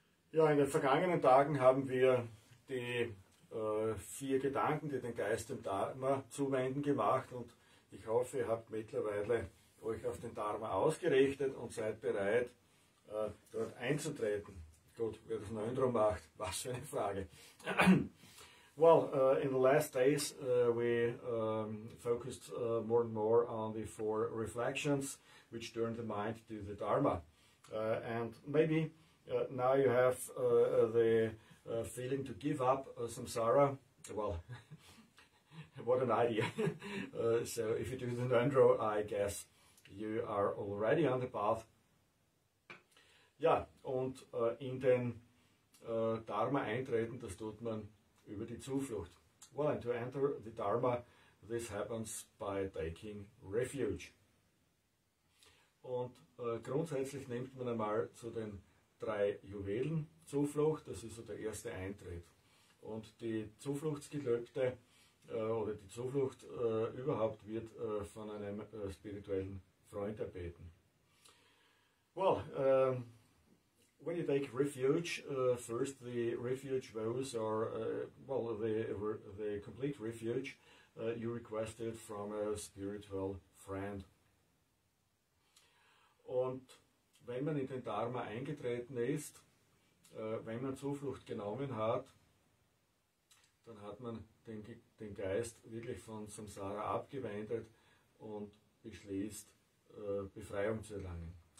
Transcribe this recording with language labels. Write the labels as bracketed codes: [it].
[de] Ja, in den vergangenen Tagen haben wir die vier Gedanken, die den Geist dem Dharma zuwenden, gemacht, und ich hoffe, ihr habt mittlerweile euch auf den Dharma ausgerichtet und seid bereit, dort einzutreten. Gut, wer das Ngondro macht, was für eine Frage. [en] Well, in the last days we focused more and more on the four reflections which turn the mind to the Dharma. And maybe now you have the feeling to give up samsara. Well, what an idea. So if you do the Ngondro, I guess you are already on the path. [de] Ja, und in den Dharma eintreten, das tut man über die Zuflucht. [en] Well, and to enter the Dharma, this happens by taking refuge. [de] Und grundsätzlich nimmt man einmal zu den drei Juwelen Zuflucht, das ist so der erste Eintritt. Und die Zufluchtsgelübde oder die Zuflucht überhaupt wird von einem spirituellen Freund erbeten. [en] Well, when you take refuge, first the refuge vows are, well, the complete refuge you requested from a spiritual friend. [de] Und wenn man in den Dharma eingetreten ist, wenn man Zuflucht genommen hat, dann hat man den Geist wirklich von Samsara abgewendet und beschließt, Befreiung zu erlangen.